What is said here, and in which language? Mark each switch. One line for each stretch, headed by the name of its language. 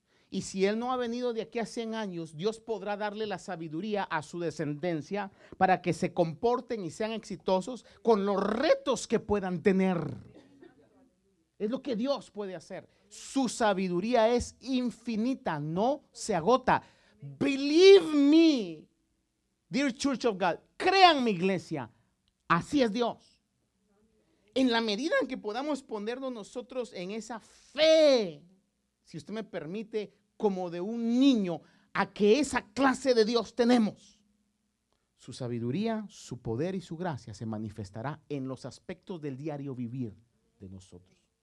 Spanish: Y si Él no ha venido de aquí a 100 años, Dios podrá darle la sabiduría a su descendencia para que se comporten y sean exitosos con los retos que puedan tener. Es lo que Dios puede hacer. Su sabiduría es infinita, no se agota.
English: Believe me, dear Church of God.
Spanish: Crean mi iglesia. Así es Dios. En la medida en que podamos ponernos nosotros en esa fe, si usted me permite, como de un niño, a que esa clase de Dios tenemos, su sabiduría, su poder y su gracia se manifestará en los aspectos del diario vivir de nosotros.